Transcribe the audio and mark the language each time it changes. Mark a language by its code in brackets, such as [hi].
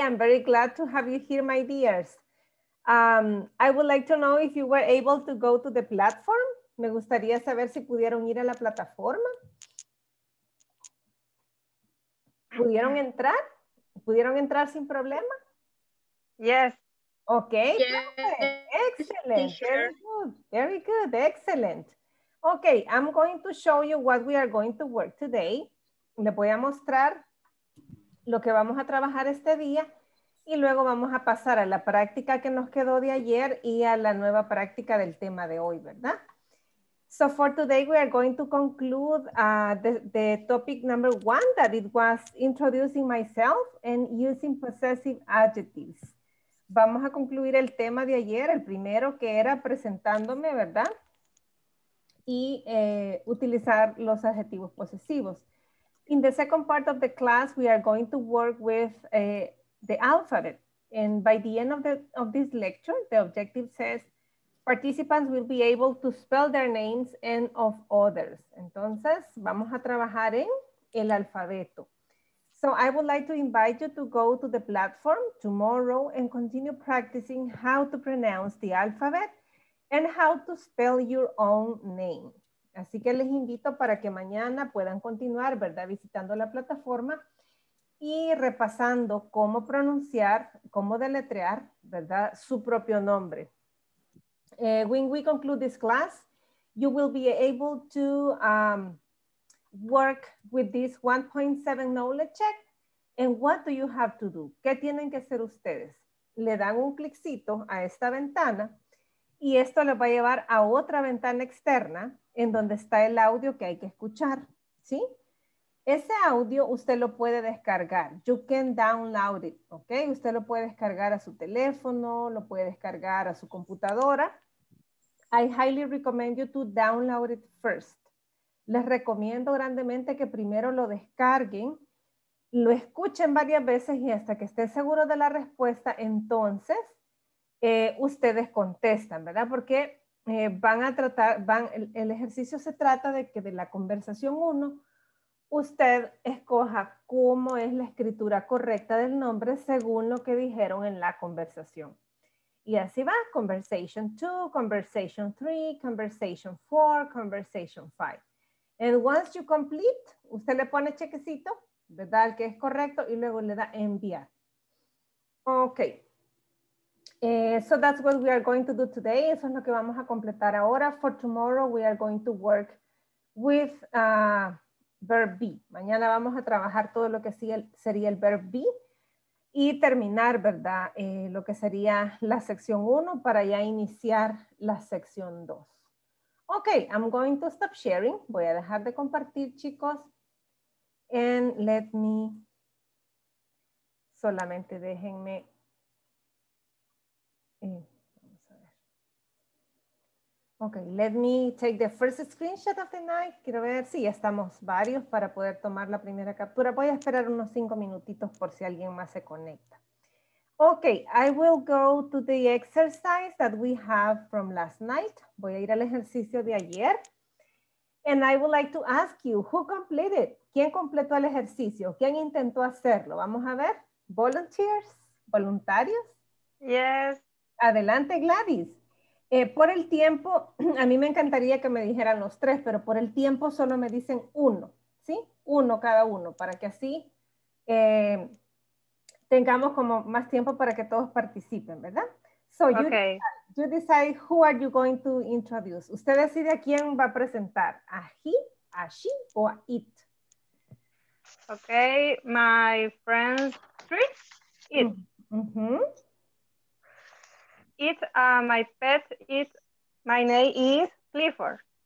[en] I'm very glad to have you here, my dears. I would like to know if you were able to go to the platform. [es] Me gustaría saber si pudieron ir a la plataforma. ¿Pudieron entrar? ¿Pudieron entrar sin problema? [en] Yes. Okay. Yes. Excellent. Sure. Very good. Very good. Excellent. Okay, I'm going to show you what we are going to work today. [es] Les voy a mostrar lo que vamos a trabajar este día. Y luego vamos a pasar a la práctica que nos quedó de ayer y a la nueva práctica del tema de hoy, ¿verdad? [en] So for today, we are going to conclude the topic number one, that it was introducing myself and using possessive adjectives. [es] Vamos a concluir el tema de ayer, el primero que era presentándome, ¿verdad? Y utilizar los adjetivos posesivos. [en] In the second part of the class, we are going to work with the alphabet. And by the end of this lecture, the objective says participants will be able to spell their names and of others. [es] Entonces, vamos a trabajar en el alfabeto. [en] So I would like to invite you to go to the platform tomorrow and continue practicing how to pronounce the alphabet and how to spell your own name. [es] Así que les invito para que mañana puedan continuar, ¿verdad?, visitando la plataforma y repasando cómo pronunciar, cómo deletrear, ¿verdad?, su propio nombre. [en] When we conclude this class, you will be able to work with this 1.7 knowledge check. And what do you have to do? [es] ¿Qué tienen que hacer ustedes? Le dan un cliccito a esta ventana y esto les va a llevar a otra ventana externa en donde está el audio que hay que escuchar, ¿sí? Ese audio usted lo puede descargar. [en] You can download it, [es] ¿ok? Usted lo puede descargar a su teléfono, lo puede descargar a su computadora. [en] I highly recommend you to download it first. [es] Les recomiendo grandemente que primero lo descarguen, lo escuchen varias veces y hasta que esté seguro de la respuesta, entonces ustedes contestan, ¿verdad? Porque el ejercicio se trata de que de la conversación 1, usted escoja cómo es la escritura correcta del nombre según lo que dijeron en la conversación. Y así va, [en] conversation 2, conversation 3, conversation 4, conversation 5. And once you complete, [es] usted le pone chequecito, ¿verdad?, el que es correcto y luego le da enviar. Ok. [en] So that's what we are going to do today. [es] Eso es lo que vamos a completar ahora. [en] For tomorrow, we are going to work with verb be. [es] Mañana vamos a trabajar todo lo que sería el verb be y terminar, ¿verdad?, lo que sería la sección 1 para ya iniciar la sección 2. [en] Ok, I'm going to stop sharing. [es] Voy a dejar de compartir, chicos. [en] And let me, [es] solamente déjenme, vamos a ver. [en] Ok, let me take the first screenshot of the night. [es] Quiero ver si ya estamos varios para poder tomar la primera captura. Voy a esperar unos 5 minutitos por si alguien más se conecta. [en] Ok, I will go to the exercise that we have from last night. [es] Voy a ir al ejercicio de ayer. [en] And I would like to ask you, who completed? [es] ¿Quién completó el ejercicio? ¿Quién intentó hacerlo? Vamos a ver. [en] Volunteers, [es] voluntarios. [en] Yes. [es] Adelante, Gladys. Por el tiempo, a mí me encantaría que me dijeran los tres, pero por el tiempo solo me dicen uno, ¿sí? Uno cada uno, para que así tengamos como más tiempo para que todos participen, ¿verdad? [en] So okay. You decide who are you going to introduce. [es] Usted decide a quién va a presentar, a he, a she, o a it. [en] Okay, my friends, treat, it. Mm-hmm. It's my pet is, my name is Clifford.